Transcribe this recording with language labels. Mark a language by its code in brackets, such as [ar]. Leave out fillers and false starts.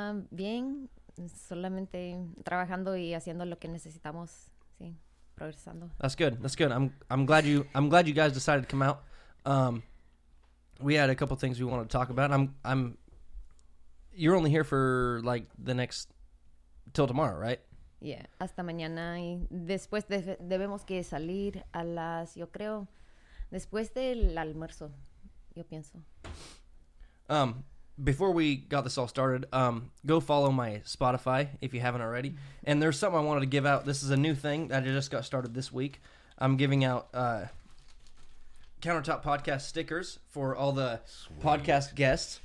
[es] Bien. Solamente trabajando y haciendo lo que necesitamos. Sí, progresando. [en] That's good. That's good. I'm glad you guys decided to come out. We had a couple things we wanted to talk about. You're only here for like the next till tomorrow, right? Yeah. [es] Hasta mañana y después debemos que salir a las, yo creo, después del almuerzo, yo pienso. [en] Before we got this all started, go follow my Spotify if you haven't already. And there's something I wanted to give out. This is a new thing that I just got started this week. I'm giving out Countertop Podcast stickers for all the Sweet. Podcast guests.